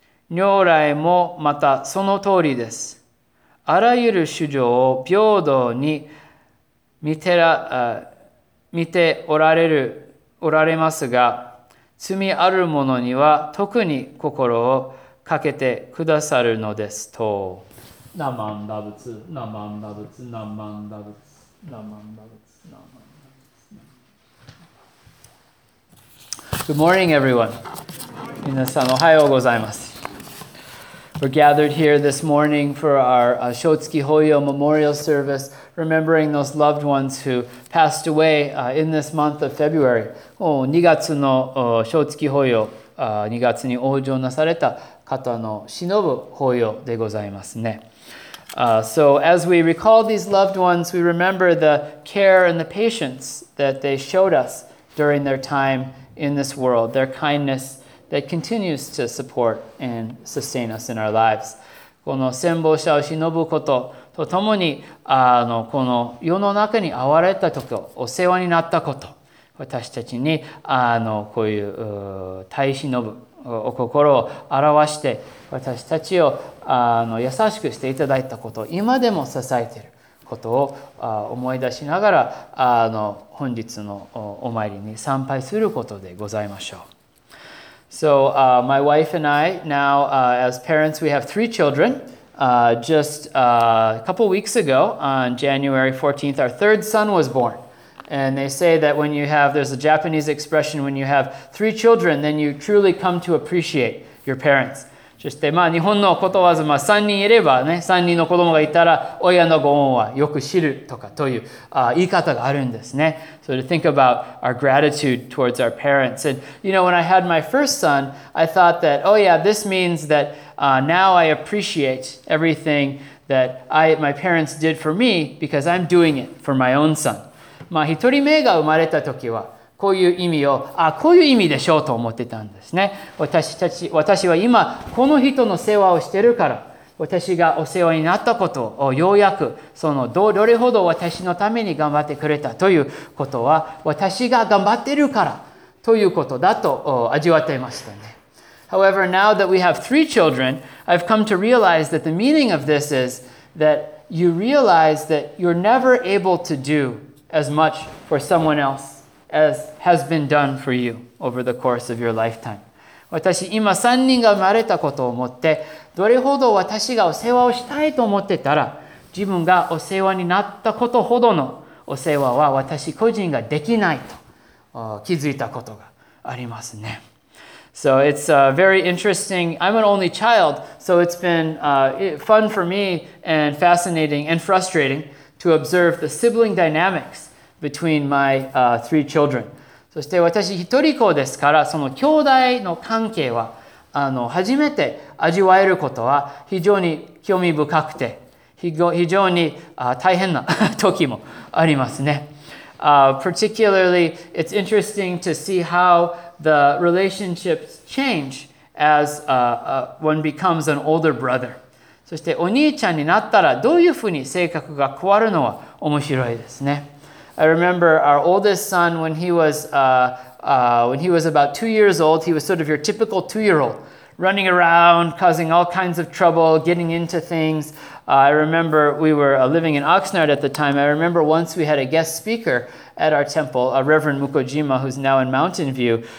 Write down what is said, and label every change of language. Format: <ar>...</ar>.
<ja>如来もまたその通りです。あらゆる衆生を平等に見ておられる、おられますが、罪ある者には特に心をかけてくださるのですと。ナマンダブツ、ナマンダブツ、ナマンダブツ、ナマンダブツ、ナマンダブツ。</ja> <en>Good morning, everyone.</en> <ja>皆さん、おはようございます。</ja> <en>We're gathered here this morning for our Shotsuki Hoyo Memorial Service, remembering those loved ones who passed away in this month of February.</en> <ja>2月の Shotsuki Hoyo, 2月に往生なされた方の忍ぶ法要でございますね。</ja> <en>So as we recall these loved ones, we remember the care and the patience that they showed us during their time in this world, their kindness,that continues to support and sustain us in our lives.</en> <ja>この戦没者を忍ぶこととともに、この世の中に遭われたとき、お世話になったこと、私たちにこういう耐え忍ぶお心を表して、私たちを優しくしていただいたこと、今でも支えていることを思い出しながら、本日のお参りに参拝することでございましょう。</ja> <en>So my wife and I now, as parents, we have three children. Just a couple weeks ago, on January 14th, our third son was born. And they say that when you have, there's a Japanese expression, when you have three children, then you truly come to appreciate your parents. Just,</en> <ja>まあ、日本のことわざ、まあ、3人いればね、3人の子供がいたら、親のご恩はよく知るとかという言い方があるんですね。</ja> <en>So to think about our gratitude towards our parents. And, you know, when I had my first son, I thought that, oh yeah, this means that now I appreciate everything that my parents did for me because I'm doing it for my own son.</en> <ja>まあ、一人目が生まれた時は、こういう意味を、こういう意味でしょうと思ってたんですね。私は今、この人の世話をしてるから、私がお世話になったことをようやく、どれほど私のために頑張ってくれたということは、私が頑張ってるからということだと味わっていましたね。</ja> <en>However, now that we have three children, I've come to realize that the meaning of this is that you realize that you're never able to do as much for someone else. As has been done for you over the course of your lifetime.</en> <ja>私今三人が生まれたことを思って、どれほど私がお世話をしたいと思ってたら、自分がお世話になったことほどのお世話は私個人ができないと気づいたことがありますね。</ja> <en>So it's very interesting. I'm an only child, so it's been fun for me and fascinating and frustrating to observe the sibling dynamics. Between my three children.</en> <ja>そして私一人子ですから、その兄弟の関係は、初めて味わえることは非常に興味深くて、非常に大変な時もありますね。</ja> <en>Particularly, it's interesting to see how the relationships change as one becomes an older brother.</en> <ja>そしてお兄ちゃんになったらどういうふうに性格が変わるのは面白いですね。</ja> <en>I remember our oldest son when he was, when he was about 2 years old, he was sort of your typical two-year-old, running around, causing all kinds of trouble, getting into things. I remember we were living in Oxnard at the time. I remember once we had a guest speaker at our temple, Reverend Mukojima, who's now in Mountain View.</en>